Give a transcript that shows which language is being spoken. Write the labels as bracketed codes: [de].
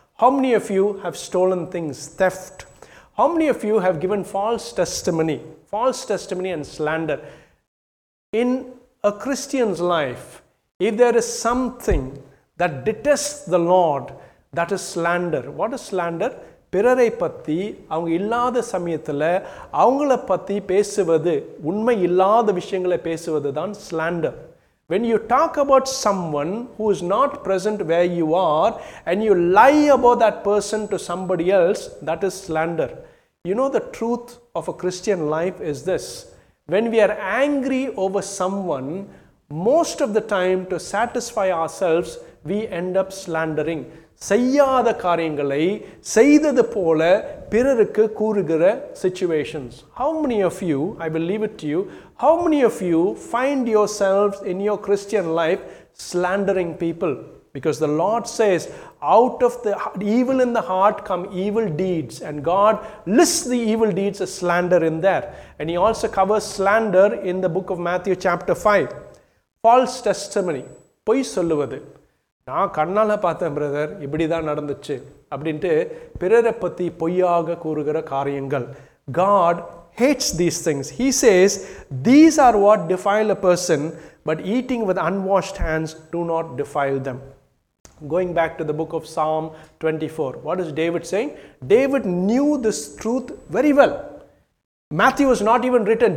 [en] How many of you have stolen things, theft? How many of you have given false testimony and slander? In a Christian's life, if there is something that detests the Lord, that is slander. What is slander? [ta] பிறரை பற்றி அவங்க இல்லாத சமயத்தில் அவங்கள பற்றி பேசுவது, உண்மை இல்லாத விஷயங்களை பேசுவது தான் slander. [en] When you talk about someone who is not present where you are and you lie about that person to somebody else, that is slander. You know the truth of a Christian life is this. When we are angry over someone, most of the time to satisfy ourselves, we end up slandering. [ta] செய்யாத காரியங்களை செய்தது போல பிறருக்கு கூறுகிற situations. [en] How many of you, I will leave it to you, how many of you find yourselves in your Christian life slandering people? Because the Lord says out of the evil in the heart come evil deeds and God list the evil deeds slander in there and he also covers slander in the book of Matthew chapter 5. [ta] Falls testimony, பொய் சொல்லுவது. நான் கண்ணால் பார்த்தேன் brother, இப்படி தான் நடந்துச்சு அப்படின்ட்டு பிறரை பற்றி பொய்யாக கூறுகிற காரியங்கள். [en] God hates these things. He says, these are what defile a person, but eating with unwashed hands do not defile them. Going back to the book of Psalm 24, what is David saying? David knew this truth very well. Matthew was not even written.